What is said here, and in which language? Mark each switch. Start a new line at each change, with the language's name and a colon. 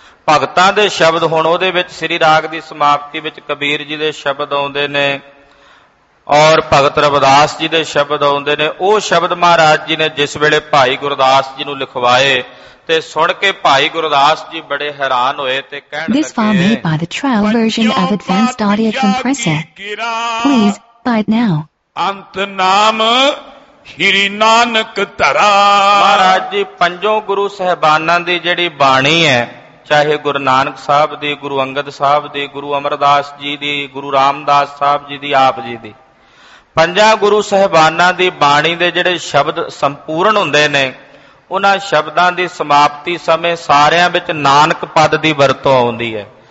Punjabi: ਭਗਤਾਂ ਦੇ ਸ਼ਬਦ ਹੁਣ ਉਹਦੇ ਵਿੱਚ ਸ੍ਰੀ ਰਾਗ ਦੀ ਸਮਾਪਤੀ ਵਿੱਚ ਕਬੀਰ ਜੀ ਦੇ ਸ਼ਬਦ ਆਉਂਦੇ ਨੇ ਔਰ ਭਗਤ ਰਵਿਦਾਸ ਜੀ ਦੇ ਸ਼ਬਦ ਆਉਂਦੇ ਨੇ। ਉਹ ਸ਼ਬਦ ਮਹਾਰਾਜ ਜੀ ਨੇ ਜਿਸ ਵੇਲੇ ਭਾਈ ਗੁਰਦਾਸ ਜੀ ਨੂੰ ਲਿਖਵਾਏ ਤੇ ਸੁਣ ਕੇ ਭਾਈ ਗੁਰਦਾਸ ਜੀ ਬੜੇ ਹੈਰਾਨ ਹੋਏ ਤੇ ਕਹਿਣ ਲੱਗੇ
English: This file made by the trial version of advanced audio compressor. Please bite now.
Punjabi: ਅੰਤ ਨਾਮ ਸ੍ਰੀ ਨਾਨਕ ਧਰਾ। ਮਹਾਰਾਜ ਜੀ, ਪੰਜੋ ਗੁਰੂ ਸਾਹਿਬਾਨਾਂ ਦੀ ਜਿਹੜੀ ਬਾਣੀ ਹੈ, ਚਾਹੇ ਗੁਰੂ ਨਾਨਕ ਸਾਹਿਬ ਦੀ, ਗੁਰੂ ਅੰਗਦ ਸਾਹਿਬ ਦੀ, ਗੁਰੂ ਅਮਰਦਾਸ ਜੀ ਦੀ, ਗੁਰੂ ਰਾਮਦਾਸ ਸਾਹਿਬ ਜੀ ਦੀ, ਆਪ ਜੀ ਦੀ, ਪੰਜਾਂ ਗੁਰੂ ਸਾਹਿਬਾਨਾਂ ਦੀ ਬਾਣੀ ਦੇ ਜਿਹੜੇ ਸ਼ਬਦ ਸੰਪੂਰਨ ਹੁੰਦੇ ਨੇ, ਉਹਨਾਂ ਸ਼ਬਦਾਂ ਦੀ ਸਮਾਪਤੀ ਸਮੇਂ ਸਾਰਿਆਂ ਵਿੱਚ ਨਾਨਕ ਪਦ ਦੀ ਵਰਤੋਂ ਆਉਂਦੀ ਹੈ।